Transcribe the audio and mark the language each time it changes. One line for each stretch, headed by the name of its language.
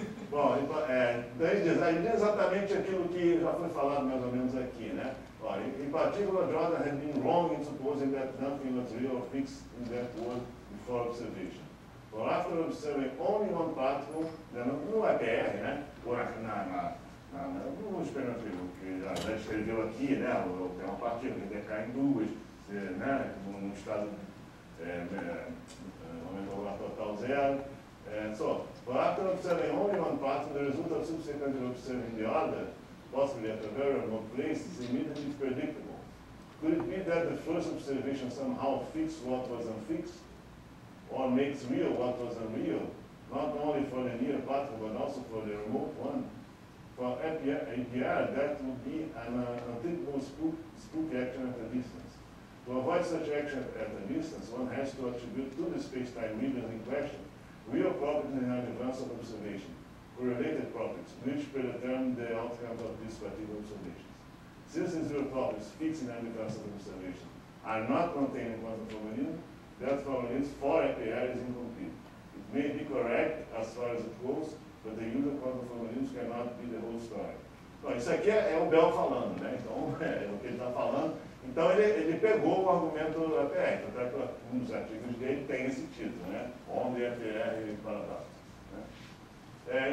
Portuguese: Bom, daí diz, aí diz exatamente aquilo que já foi falado mais ou menos aqui, né?
English: Olha, in particular, Jordan had been wrong in supposing that nothing was real or fixed in that world before observation. For after observing only one particle, then no EPR, né?
Portuguese: Por aqui no experimento que já descreveu aqui, né? Tem uma partícula que decai em duas, se, né? Num estado momento angular total zero.
English: So, but after observing only one particle, the result of subsequently observing the other, possibly at a very remote place, is immediately predictable. Could it be that the first observation somehow fixed what was unfixed, or makes real what was unreal, not only for the near particle, but also for the remote one? For APR, that would be an unthinkable spook action at a distance. To avoid such action at a distance, one has to attribute to the space-time region in question real properties in advance of observation, correlated properties, which predetermine the outcome of these particular observations. Since these real properties fixed in advance of observation are not contained in quantum formalism, that formalism for APR is incomplete. It may be correct as far as it goes, but the use of quantum formalism cannot be the whole story.
Portuguese: Bom, isso aqui é o Bell falando, né? Então, é o que ele está falando. Então, ele pegou o argumento do APR, então, até que um dos artigos dele tem esse título, né? Onde é APR para dados. Né?